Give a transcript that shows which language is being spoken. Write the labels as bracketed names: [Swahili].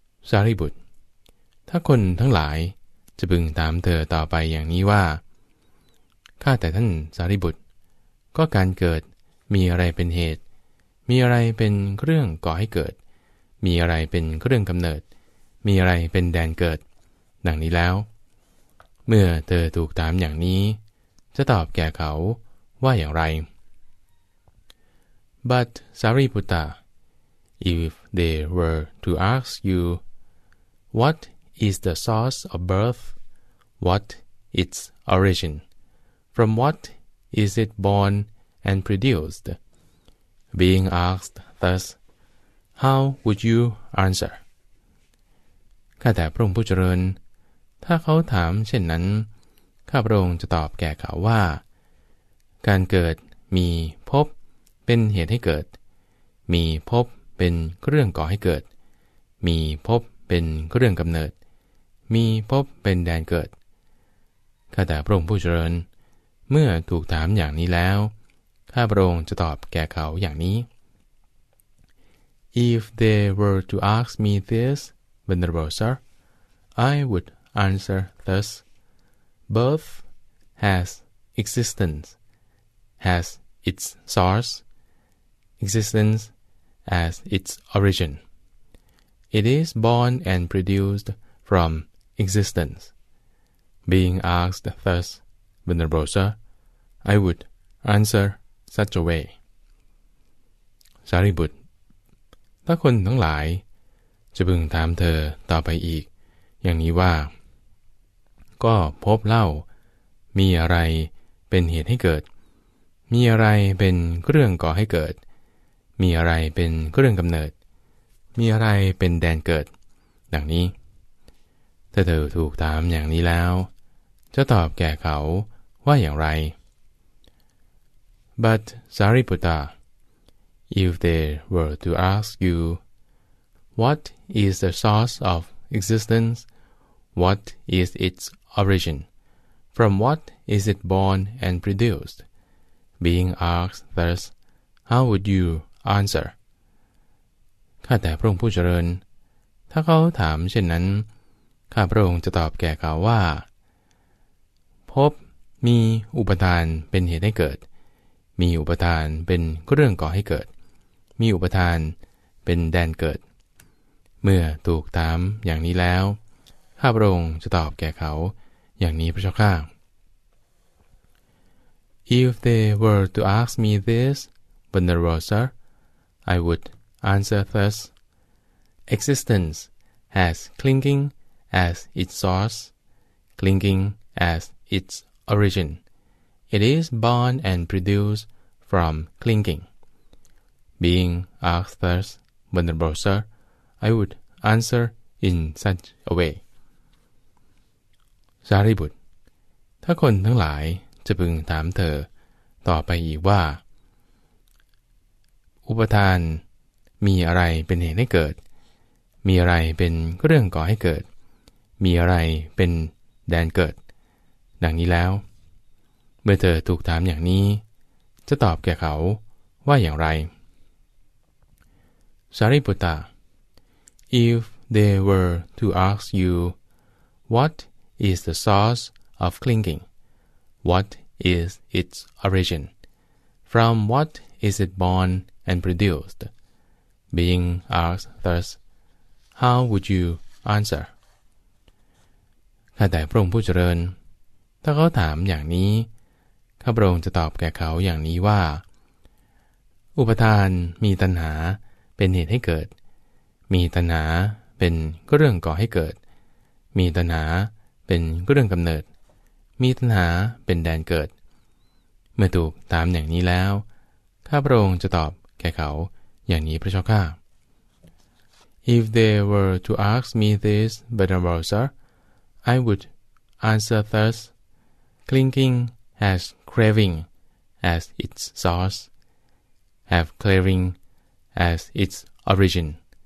[Thai] สารีบุตรถ้าคนทั้งหลายจะพึงถามเธอต่อไปอย่างนี้ว่าข้าแต่ท่านสารีบุตรก็การเกิดมีอะไรเป็นเหตุมีอะไรเป็นเครื่องก่อให้เกิดมีอะไรเป็นเครื่องกำเนิดมีอะไรเป็นแดนเกิดดังนี้แล้วเมื่อเธอถูกถามอย่างนี้จะตอบแก่เขาว่าอย่างไร [English] But Sariputta, if they were to ask you, what is the source of birth? What its origin? From what is it born and produced? Being asked thus, how would you answer? [Thai] ข้าแต่พระองค์ผู้เจริญถ้าเขาถามเช่นนั้นข้าพระองค์จะตอบแก่เขาว่าการเกิดมีภพเป็นเหตุให้เกิดมีภพเป็นเครื่องก่อให้เกิดมีภพเป็นเครื่องกำเนิดมีภพเป็นแดนเกิด ข้าแต่พระองค์ผู้เจริญเมื่อถูกถามอย่างนี้แล้วข้าพระองค์จะตอบแก่เขาอย่างนี้ [English] If they were to ask me this, Venerable Sir, I would answer thus, birth has existence, has its source, existence as its origin. It is born and produced from existence. Being asked thus, Venerable Sir, I would answer such a way. [Thai] Sariput, ถ้าคนทั้งหลายจะพึงถามเธอต่อไปอีกอย่างนี้ว่าก็พบเล่ามีอะไรเป็นเหตุให้เกิดมีอะไรเป็นเครื่องก่อให้เกิดมีอะไรเป็นเครื่องกำเนิดมีอะไรเป็นแดนเกิดดังนี้ถ้าเธอถูกถามอย่างนี้แล้วจะตอบแก่เขาว่าอย่างไร [English] But Sariputta, if they were to ask you, what is the source of existence? What is its origin? From what is it born and produced? Being asked thus, how would you answer? [Thai] ข้าแต่พระองค์ผู้เจริญถ้าเขาถามเช่นนั้นข้าพระองค์จะตอบแก่เขาว่าพบมีอุปทานเป็นเหตุให้เกิดมีอุปทานเป็นเรื่องก่อให้เกิดมีอุปทานเป็นแดนเกิดเมื่อถูกถามอย่างนี้แล้วข้าพระองค์จะตอบแก่เขาอย่างนี้พระเจ้าข้า [English] If they were to ask me this, Venerable Sir, I would answer thus. Existence has clinging as its source, clinging as its origin. It is born and produced from clinging. Being asked thus, Venerable Sir, I would answer in such a way. [Thai] สารีบุตรถ้าคนทั้งหลายจะพึงถามเธอต่อไปอีกว่าอุปทานมีอะไรเป็นเหตุให้เกิดมีอะไรเป็นเรื่องก่อให้เกิดมีอะไรเป็นแดนเกิดดังนี้แล้วเมื่อเธอถูกถามอย่างนี้จะตอบแก่เขาว่าอย่างไร [English] สารีบุตร If they were to ask you what is the source of clinging, what is its origin, from what is it born and produced, being asked thus, how would you answer? [Thai] ข้าแต่พระองค์ผู้เจริญถ้าเขาถามอย่างนี้ข้าพระองค์จะตอบแก่เขาอย่างนี้ว่าอุปทานมีตัณหาเป็นเหตุให้เกิดมีตัณหาเป็นเรื่องก่อให้เกิดมีตัณหาเป็นเรื่องกำเนิดมีตัณหาเป็นแดนเกิดเมื่อถูกถามอย่างนี้แล้วข้าพระองค์จะตอบแก่เขาอย่างนี้พระเจ้าข้า [English] If they were to ask me this, Venerable Sir, I would answer thus, clinkingHas craving as its source, have craving as its origin.